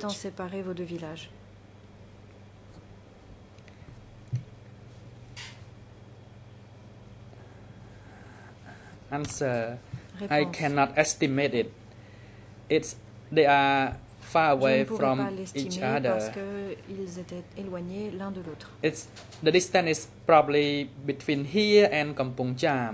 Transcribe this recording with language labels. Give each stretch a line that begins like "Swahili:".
French: Quelle distance séparait vos deux villages?
English: Answer.
French: Réponse.
English: I cannot estimate it. It's they are far away from each other.
French: Parce que ils étaient éloignés l'un de l'autre.
English: It's the distance is probably between here and Kampong Cham.